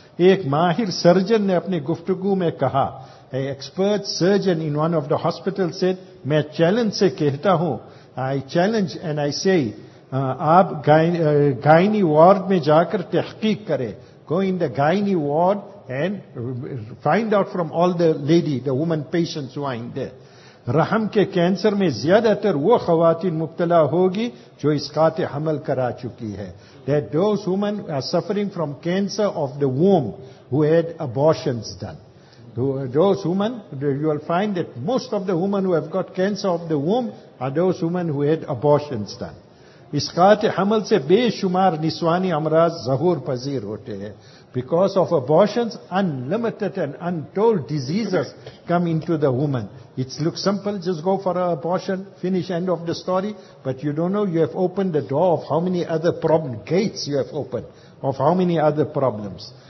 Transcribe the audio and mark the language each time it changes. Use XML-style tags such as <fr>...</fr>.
<ur>Ek mahir surgeon ne apne guftugu mein kaha,</ur> <en>an expert surgeon in one of the hospitals said,</en> <ur>main challenge se kehta hoon,</ur> <en>I challenge and I say,</en> <ur>aap gyne ward mein jaakar tehqeeq kare,</ur> <en>go in the gyne ward and find out from all the lady, the woman patients who are in there.</en> <ur>رحم کے cancer میں زیادہ تر وہ خواتین مبتلا ہوگی جو اسقاط حمل کرا چکی ہے.</ur> <en>That those women are suffering from cancer of the womb who had abortions done. Those women, you will find that most of the women who have got cancer of the womb are those women who had abortions done.</en> <ur>اسقاط حمل سے بے شمار نسوانی امراض ظہور پذیر ہوتے ہیں.</ur> <en>Because of abortions, unlimited and untold diseases come into the woman. It looks simple, just go for an abortion, finish, end of the story. But you don't know, you have opened the door of how many other problem gates you have opened, of how many other problems.</en>